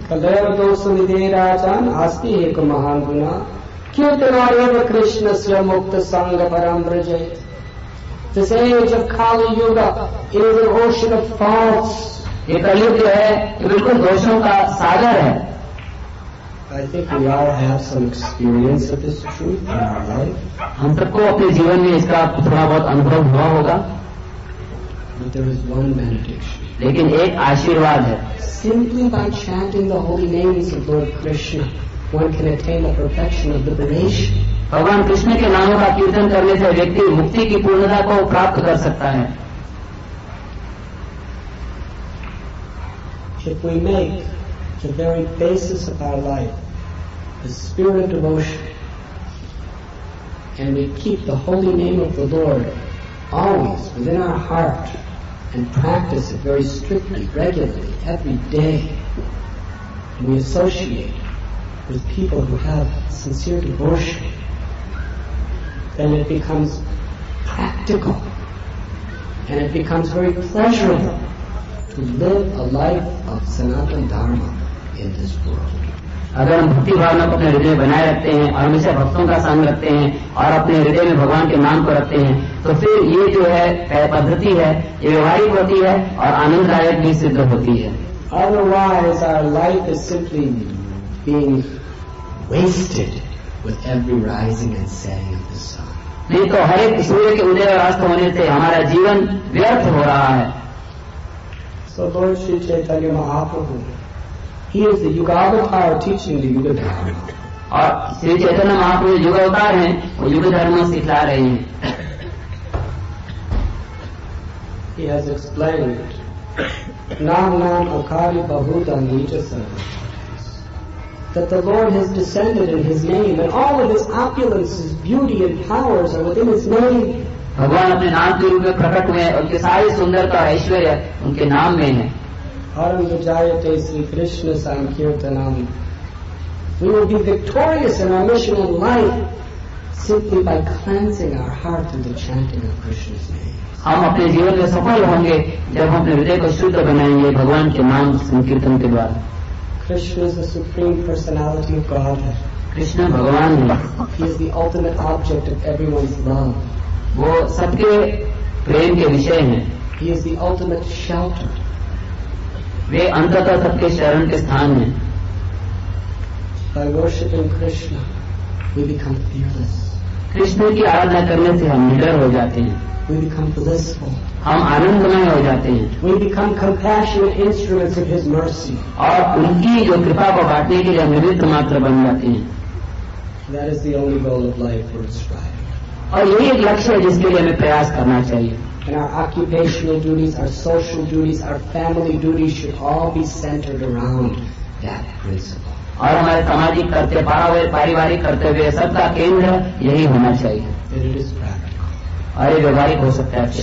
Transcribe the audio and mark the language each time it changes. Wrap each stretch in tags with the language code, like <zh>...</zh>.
<sa>कदैव दोष निधेय राजन अस्ति एक महान गुणा कीर्तना एव कृष्ण से मुक्त संग परम ब्रज</sa> <en>this age of Kali yug is an ocean of faults</en> <hi>ये कलयुग जो है बिल्कुल दोषों का सागर है</hi> <en>I think we all have some experience of this truth in our life.</en> <hi>हम सबको अपने जीवन में इसका थोड़ा बहुत अनुभव हुआ होगा</hi> <en>But there is one benediction.</en> <hi>लेकिन एक आशीर्वाद है</hi> <en>Simply by chanting the holy names of Lord Krishna, one can attain the perfection of the liberation.</en> <hi>भगवान कृष्ण के नामों का कीर्तन करने से व्यक्ति मुक्ति की पूर्णता को प्राप्त कर सकता है</hi> <en>If we make the very basis of our life, the spirit of devotion, and we keep the holy name of the Lord always within our heart and practice it very strictly, regularly, every day. And we associate with people who have sincere devotion, then it becomes practical and it becomes very pleasurable to live a life of Sanatana Dharma.</en> <hi>अगर हम भक्ति भावना को अपने हृदय बनाए रखते हैं और हमेशा भक्तों का संग रखते हैं और अपने हृदय में भगवान के नाम को रखते हैं तो फिर ये जो है पद्धति है ये व्यवहारिक होती है और आनंददायक भी सिद्ध होती है</hi> <en>Otherwise, our life is simply being wasted with every rising and setting of the sun.</en> <hi>नहीं तो हर एक सूर्य के उदय और अस्त होने से हमारा जीवन व्यर्थ हो रहा है</hi> <en>So, Lord Shri Chaitanya Mahaprabhu. He is the Yuga Avatar teaching the Yuga Dharma.</en> <hi>और श्री चैतन्य महाप्रभु युग अवतार हैं वो युग धर्म सिखा रहे हैं</hi> <en>He has explained, Nam Nam Akari Bahuta Nita Sarva. That the Lord has descended in His name and all of His opulence, His beauty and powers are within His name.</en> <hi>भगवान अपने नाम के रूप में प्रकट हुए हैं उनके सारे सुंदरता और ऐश्वर्य उनके नाम में है</hi> <sa>हर जायते Shri Krishna संकीर्तनम</sa> <en>we will be victorious in our mission in life simply by cleansing our heart in the chanting of Krishna's name</en> <hi>हम अपने जीवन में सफल होंगे जब हम अपने हृदय को शुद्ध बनाएंगे भगवान के नाम संकीर्तन के द्वारा</hi> <en>Krishna is the supreme personality of God</en> <hi>Krishna भगवान</hi> <en>he is the ultimate object of everyone's love</en> <hi>वो सबके प्रेम के विषय हैं</hi> <en>he is the ultimate shelter</en> <hi>वे अंततः सबके शरण के स्थान हैं</hi> <en>By worshiping Krishna, we become fearless.</en> <hi>Krishna की आराधना करने से हम निडर हो जाते हैं</hi> <en>We become blissful.</en> <hi>हम आनंदमय हो जाते हैं</hi> <en>We become compassionate instruments of His mercy.</en> <hi>और उनकी जो कृपा को बांटने के लिए हम निमित्त मात्र बन जाते हैं</hi> <en>That is the only goal of life for striving.</en> <hi>और यही एक लक्ष्य है जिसके लिए हमें प्रयास करना चाहिए</hi> <en>And our occupational duties, our social duties, our family duties should all be centered around that principle.</en> <hi>और हमारे सामाजिक कर्तव्य पारिवारिक कर्तव्य सबका केंद्र यही होना चाहिए</hi> <en>And it is practical.</en> <hi>और ये व्यवहारिक हो सकता है</hi>